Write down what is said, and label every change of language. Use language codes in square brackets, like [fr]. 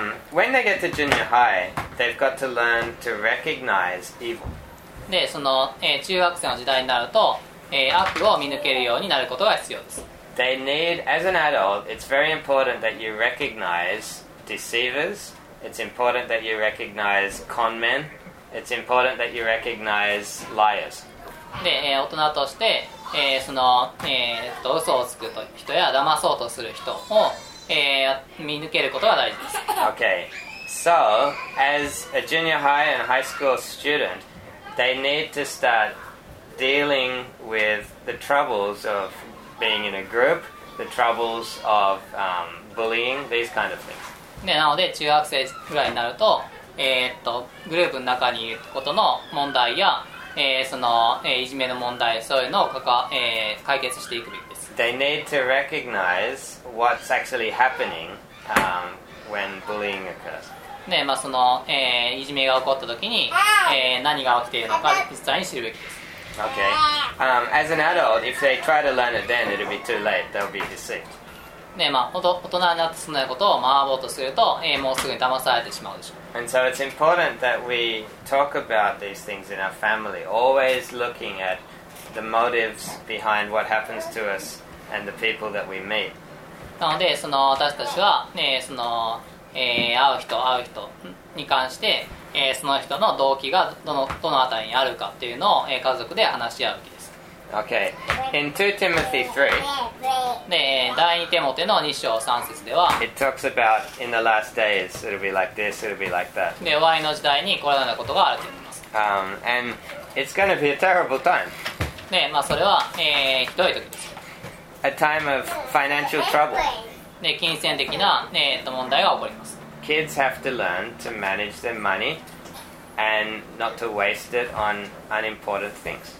[en] When they get to junior high, they've got to learn to recognize evil. [ja] で、その、中学生の時代になると、悪を見抜けるようになることが必要です。 [en] They need, as an adult, it's very important that you recognize deceivers. It's important that you recognize con men. It's important that you recognize liars. [ja] で、大人として、その、嘘をつく人や騙そうとする人を、見抜けることが大事です。 [en] Okay. So, as a junior high and high school student, they need to start dealing with the troubles of... being in a group, the troubles of bullying, these kind of things. [ja] ね、なので中学生ぐらいになると、グループの中にいることの問題や、その、いじめの問題、そういうのをかか、解決していくべきです。 [en] They need to recognize what's actually happening, when bullying occurs. [ja] ね、まあその、いじめが起こったときに、何が起きているのか実際に知るべきです。 [en] Okay. As an adult, if they try to learn it then, it'll be too late. They'll be deceived. [ja] ね、まあ、大人になってそんなことを学ぼうとすると、もうすぐに騙されてしまうでしょう。 [en] And so it's important that we talk about these things in our family, always looking at the motives behind what happens to us and the people that we meet. [ja] なので、その私たちは、ね、その、会う人に関して、その人の動機がどのあたりにあるかっていうのを、家族で話し合うべきです。 [en] Okay. In 2 Timothy 3, [ja] で、第2テモテの2章3節では、 [en] It talks about in the last days, it'll be like this, it'll be like that. [ja] で、終わりの時代にこれらのことがあると言います。 [en] And it's going to be a terrible time. [ja] で、まあそれは、ひどい時です。 [en] A time of financial trouble. [ja] で、金銭的な、問題が起こります。 [en] Kids have to learn to manage their money and not to waste it on unimportant things.